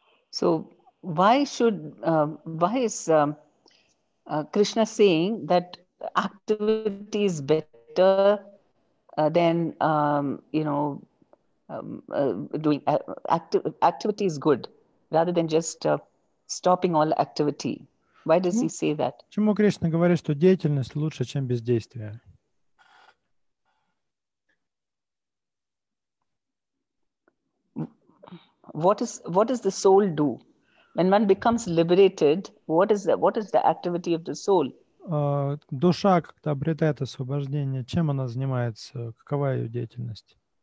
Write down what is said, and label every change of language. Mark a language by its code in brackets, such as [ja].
[en] So why is Krishna saying that activity is better activity is good rather than just stopping all activity? Why does he say that? [ru] Почему Кришна говорит, что деятельность лучше, чем бездействие? [en] What does the soul do when one becomes liberated? What is the activity of the soul? [ru] Душа, когда обретает освобождение, чем она занимается? Какова ее деятельность?